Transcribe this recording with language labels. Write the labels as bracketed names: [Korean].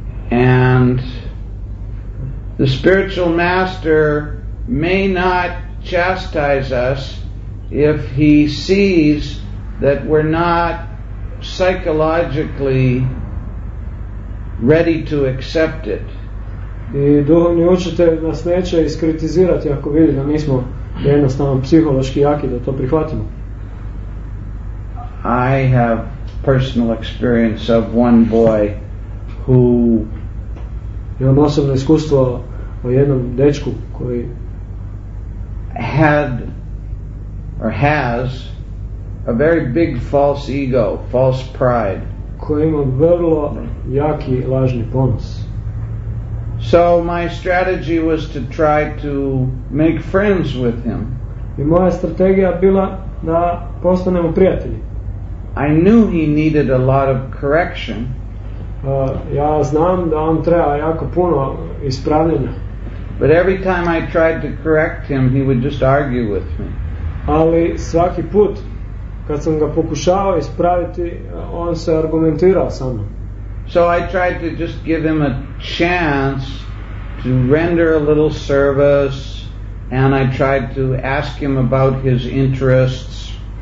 [English] And the spiritual master may not chastise us if he sees that we're not psychologically ready to accept it. [Croatian] I duhovni učitelj nas neće iskritizirati ako vidi da nismo jednostavno psihološki jaki da to prihvatimo. [English] I have personal experience of one boy who [Croatian] imam osobno iskustvo o jednom dečku koji [English] had or has a very big false ego, false pride. [Croatian] Koji ima vrlo jaki lažni ponos. [English] So my strategy was to try to make friends with him. [Croatian] I moja strategija bila da postanemo prijatelji. [English] I knew he needed a lot of correction. [Croatian] Ja znam da on treba jako puno ispravljanja. [English] But every time I tried to correct him, he would just argue with me. [Croatian] Ali svaki put kad sam ga pokušao ispraviti, on se argumentirao sa mnom. [English] So I tried to just give him a chance to render a little service, and I tried to ask him about his interests.